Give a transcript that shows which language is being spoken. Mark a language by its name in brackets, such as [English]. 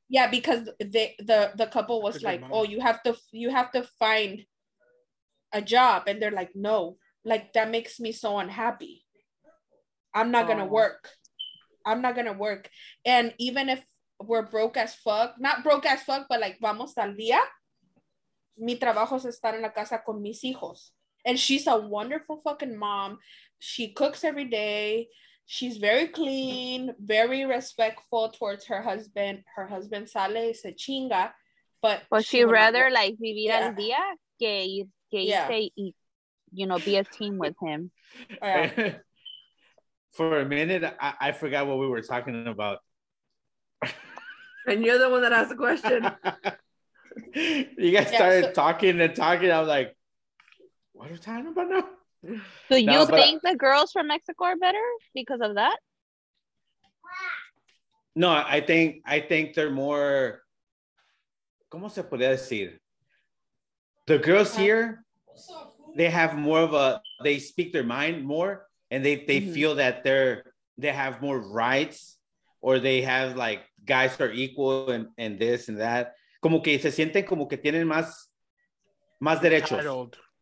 [English] Because the couple was like, oh, you have to find a job. And they're like, no, like that makes me so unhappy. I'm not going to work. And even if, we're broke as fuck. Not broke as fuck, but like, [Spanish] vamos al día. Mi trabajo es estar en la casa con mis hijos. [English] And she's a wonderful fucking mom. She cooks every day. She's very clean, very respectful towards her husband. Her husband [Spanish] sale y se chinga. [English] But well, she'd rather like [Spanish] vivir al día que irse y, [English] you know, be a team with him. For a minute, I forgot what we were talking about. And you're the one that asked the question. You guys started talking and talking. I was like, what are we talking about now? So you think the girls from Mexico are better because of that? No, I think they're more, [Spanish] ¿cómo se puede decir? [English] The girls here, they have more of a, they speak their mind more, and they mm-hmm. feel that they have more rights, or they have like, guys are equal and this and that. [Spanish] Como que se sienten como que tienen más derechos.